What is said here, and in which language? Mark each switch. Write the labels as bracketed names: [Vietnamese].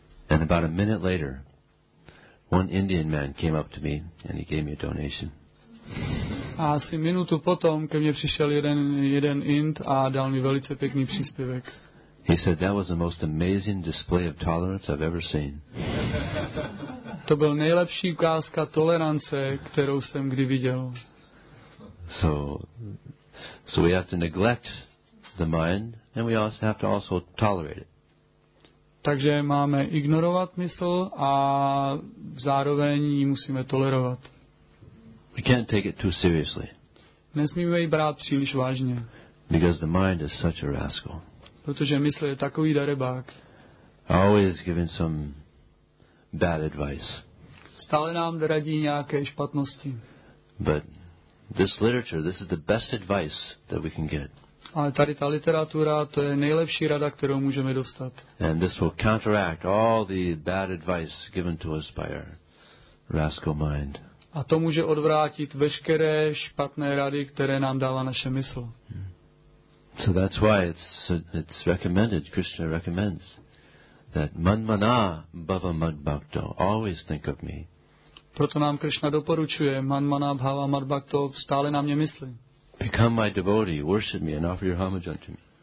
[English] And about a minute later, one Indian man came up to me and he gave me a donation. [Czech] A asi minutu potom ke mně přišel jeden Ind a dal mi velice pěkný příspěvek. [English] He said that was the most amazing display of tolerance I've ever seen. [Czech] To byl nejlepší ukázka tolerance, kterou jsem kdy viděl. [English] So we have to neglect the mind and we also have to also tolerate it. [Czech] Takže máme ignorovat mysl a zároveň ji musíme tolerovat. [English] We can't take it too seriously. [Czech] Nesmíme ji brát příliš vážně. [English] Because the mind is such a rascal. [Czech] Protože mysl je takový darebák. [English] Always giving some bad advice. [Czech] Stále nám radí nějaké špatnosti. [English] But this literature, this is the best advice that we can get. [Czech] Ale tady ta literatura, to je nejlepší rada, kterou můžeme dostat. [English] And this will counteract all the bad advice given to us by our rascal mind. [Czech] A to může odvrátit veškeré špatné rady, které nám dává naše mysl. [English] So that's why it's recommended, Krishna recommends, that [Sanskrit] manmana bhava mad bhakto, [English] always think of me. [Czech] Proto nám Krishna doporučuje, [Sanskrit] manmana bhava mad bhakto, [Czech] stále na mě mysli. [English] Become my devotee, worship me and offer your homage unto me.